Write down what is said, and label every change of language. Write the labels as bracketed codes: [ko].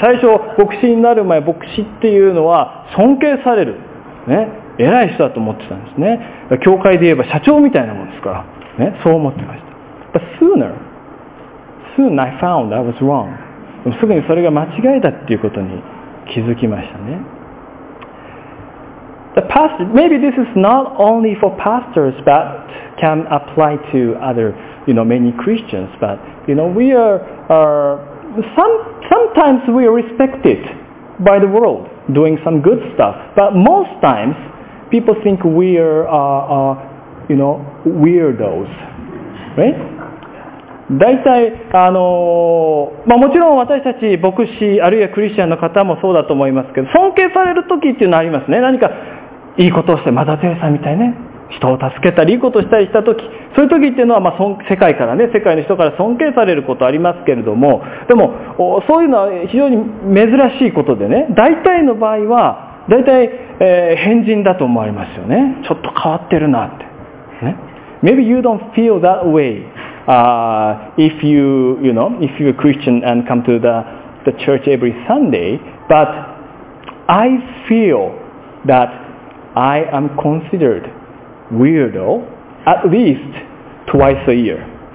[ja] 最初牧師になる前、牧師っていうのは尊敬されるね、偉い人だと思ってたんですね。教会で言えば社長みたいなもんですからね、そう思ってました。 [en] But soon I found I was wrong. [ja] すぐにそれが間違いだっていうことに気づきましたね。 [en] The pastor, maybe this is not only for pastors, but can apply to other, you know, many Christians. But, you know, we are sometimes we are respected by the world doing some good stuff. But most times people think we are weirdos, right? [ja] 大体もちろん私たち牧師あるいはクリスチャンの方もそうだと思いますけど、尊敬される時っていうのはありますね。何かいいことをして、マザテレサみたいね、人を助けたりいいことをしたりした時、そういう時っていうのは、まあ、世界の人から尊敬されることありますけれども、でもそういうのは非常に珍しいことでね、大体の場合は大体、変人だと思われますよね。ちょっと変わってるなってね。 [en] Maybe you don't feel that wayif if you're a Christian and come to the church every Sunday, but I feel that I am considered weirdo at least twice a year.